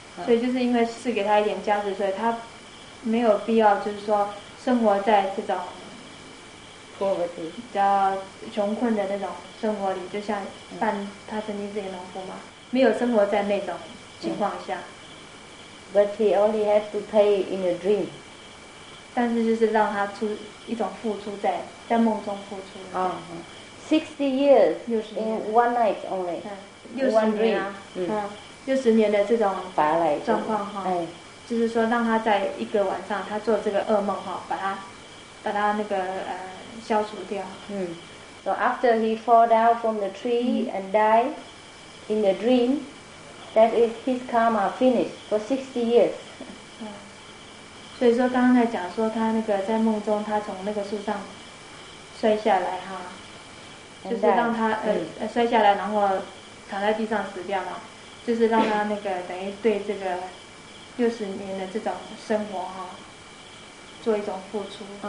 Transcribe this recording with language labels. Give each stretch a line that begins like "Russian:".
Chinese: 所以就是因为是给他一点加持，所以他没有必要就是说。生活在这种比较穷困的那种生活里，就像半他曾经是一个农夫嘛，没有生活在那种情况下。
English: But he only had to pay in a dream.
Chinese: 但是就是让他出一种付出在梦中付出。
English: 啊 60 years in one night only.
Chinese: 60年啊，60年的这种状况哈。就是说，让他在一个晚上，他做这个噩梦哈，把他那个消除掉。嗯。
English: So after he fall down from the tree and die in the dream, that is his karma finished for 60 years. 嗯。
Chinese: 所以说，刚刚在讲说，他那个在梦中，他从那个树上摔下来哈，就是让他摔下来，然后躺在地上死掉嘛，就是让他那个等于对这个。 60年的这种生活哈，做一种付出。